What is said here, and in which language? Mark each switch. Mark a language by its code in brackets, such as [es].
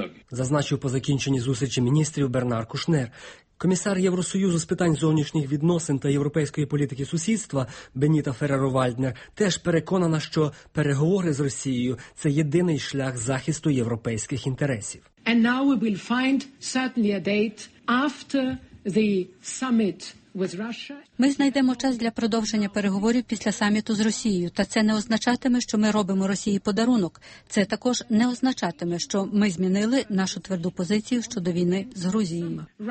[uk] Зазначив по закінченні зустрічі міністрів Бернар Кушнер. Комісар Євросоюзу з питань зовнішніх відносин та європейської політики сусідства Беніта Ферреро-Вальднер теж переконана, що переговори з Росією – це єдиний шлях захисту європейських інтересів. [en] And now we will find certainly a date after the summit. [uk] Ми знайдемо час для продовження переговорів після саміту з Росією, та це не означатиме, що ми робимо Росії подарунок. Це також не означатиме, що ми змінили нашу тверду позицію щодо війни з Грузією.